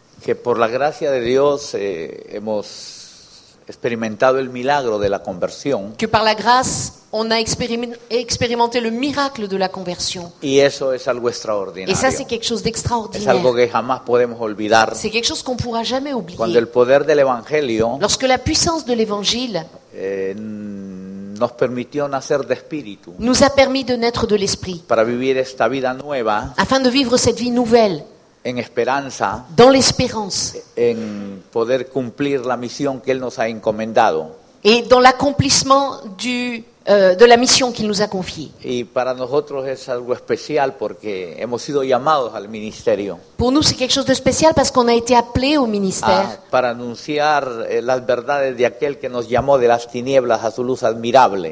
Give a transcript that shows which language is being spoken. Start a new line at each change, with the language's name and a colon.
Spanish: Que por la gracia de Dios hemos experimentado el milagro de la conversión.
French: Que par la grâce on a expérimenté le miracle de la conversion.
Spanish: Y eso es algo extraordinario.
French: Et ça c'est quelque chose d'extraordinaire.
Spanish: Es algo que jamás podemos olvidar.
French: C'est quelque chose qu'on pourra jamais oublier.
Spanish: Cuando el poder del evangelio.
French: Lorsque la puissance de l'évangile.
Spanish: Nos permitió nacer de espíritu.
French: Nous a permis de naître de l'esprit.
Spanish: Para vivir esta vida nueva.
French: Afin de vivre cette vie nouvelle.
Spanish: En esperanza,
French: dans l'espérance,
Spanish: en poder cumplir la misión que él nos ha encomendado,
French: et dans l'accomplissement de la misión qu'il nous a confiée.
Spanish: Y para nosotros es algo especial porque hemos sido llamados al ministerio.
French: Pour nous c'est quelque chose de spécial parce qu'on a été appelés au ministère.
Spanish: Para anunciar las verdades de aquel que nos llamó de las tinieblas a su luz admirable.